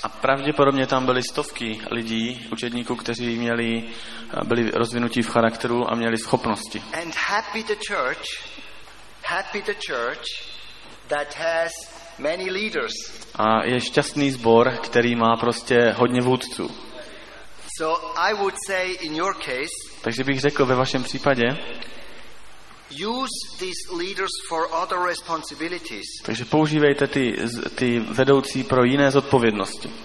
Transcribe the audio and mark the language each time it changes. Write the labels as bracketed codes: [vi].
[cs] A pravděpodobně tam byly stovky lidí, učedníků, kteří měli byli rozvinutí v charakteru a měli schopnosti. [en] And happy the church that has many leaders. [cs] A je šťastný sbor, který má prostě hodně vůdců. [en] So I would say in your case. [cs] Takže bych řekl ve vašem případě. [en] Use these leaders for other responsibilities. [cs] Takže používejte ty vedoucí pro jiné zodpovědnosti.